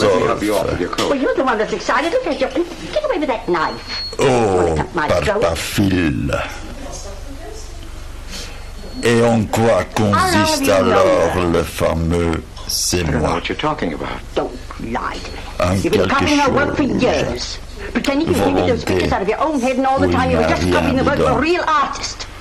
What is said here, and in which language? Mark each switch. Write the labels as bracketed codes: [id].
[en] Let me help you off with your coat. Well, you're the one that's excited. Get away with that knife. Oh, parpafile. [fr] Et en quoi consiste alors le fameux c'est moi? [en] I don't know what you're talking about. Don't lie to me. [fr] Un [en] you've been copying her work for years. Pretending you can keep those pictures out of your own head and all the time you were just copying the work of a real artist.